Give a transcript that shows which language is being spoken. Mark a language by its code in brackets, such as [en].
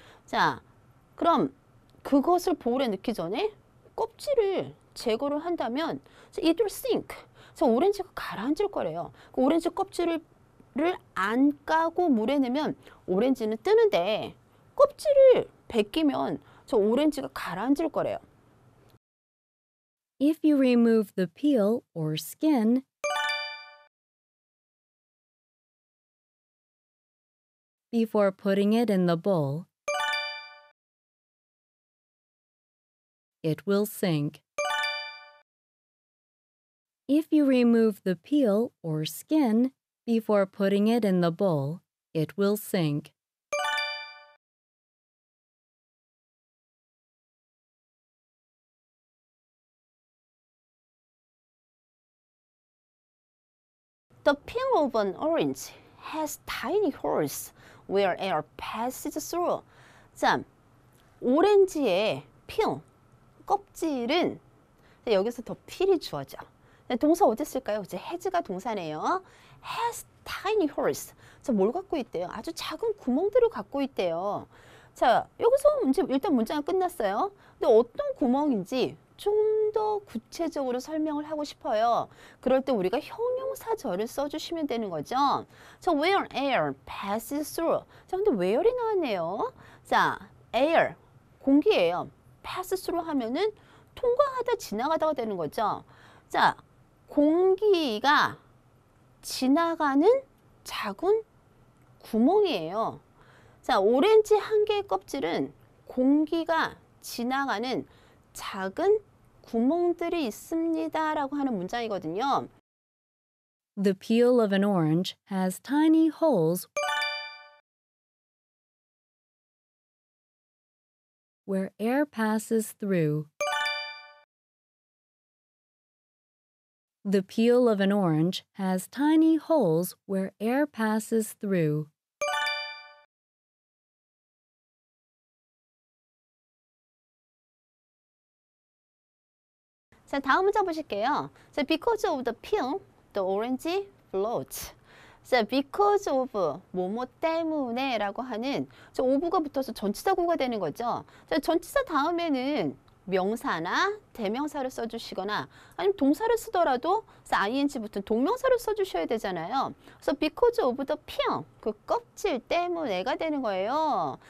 [ko] 자, 그럼 그것을 볼에 넣기 전에 껍질을 제거를 한다면 [en] so it will sink. [ko] 그래서 오렌지가 가라앉을 거래요. 그 오렌지 껍질을 안 까고 물에 넣으면 오렌지는 뜨는데 껍질을 벗기면 저 오렌지가 가라앉을 거래요. [en] If you remove the peel or skin, before putting it in the bowl, it will sink. If you remove the peel or skin before putting it in the bowl, it will sink. The peel of an orange has tiny holes where air passes through. [ko] 자, 오렌지의 peel. 껍질은 여기서 더 필이 주어져. 동사 어디 쓸까요? 이제 has가 동사네요. [en] Has tiny holes. [ko] 자, 뭘 갖고 있대요? 아주 작은 구멍들을 갖고 있대요. 자, 여기서 이제 일단 문장은 끝났어요. 근데 어떤 구멍인지 좀 더 구체적으로 설명을 하고 싶어요. 그럴 때 우리가 형용사절을 써주시면 되는 거죠. [en] 자, where air passes through. [ko] 자, 근데 where이 나왔네요. 자, air 공기예요. pass through 하면은 통과하다 지나가다가 되는 거죠. 자, 공기가 지나가는 작은 구멍이에요. 자, 오렌지 한 개의 껍질은 공기가 지나가는 작은 구멍들이 있습니다라고 하는 문장이거든요. [en] The peel of an orange has tiny holes. Where air passes through. The peel of an orange has tiny holes where air passes through. [ko] 자, 다음 문장 보실게요. [en] So because of the peel, the orange floats. So because of [ko] 뭐뭐 때문에 라고 하는 저 of가 붙어서 전치사구가 되는 거죠. 자, 전치사 다음에는 명사나 대명사를 써주시거나 아니면 동사를 쓰더라도 ing 붙은 동명사를 써주셔야 되잖아요. [en] So because of the peel, [ko] 그 껍질 때문에가 되는 거예요.